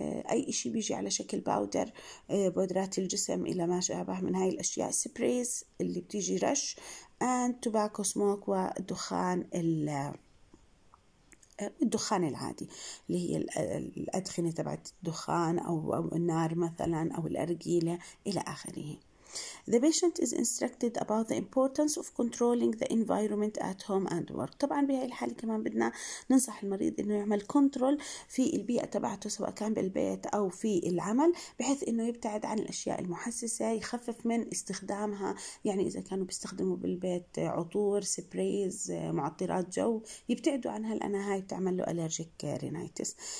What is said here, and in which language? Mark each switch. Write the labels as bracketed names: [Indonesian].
[Arabic] اي شيء بيجي على شكل باودر، بودرات الجسم الى ما شابه من هاي الاشياء، سبريز اللي بتيجي رش، [English] and tobacco smoke [Arabic] ودخان الدخان العادي اللي هي الأدخنة تبعت الدخان أو النار مثلا أو الأرجيلة إلى آخره. [English] The patient is instructed about the importance of controlling the environment at home and work. [Arabic] طبعا بهاي الحالة كمان بدنا ننصح المريض انه يعمل كنترول في البيئة تبعته سواء كان بالبيت او في العمل، بحيث انه يبتعد عن الاشياء المحسسة، يخفف من استخدامها، يعني اذا كانوا بيستخدموا بالبيت عطور، سبريز، معطرات جو، يبتعدوا عنها لانها هاي بتعمل له اليرجيك رينايتس.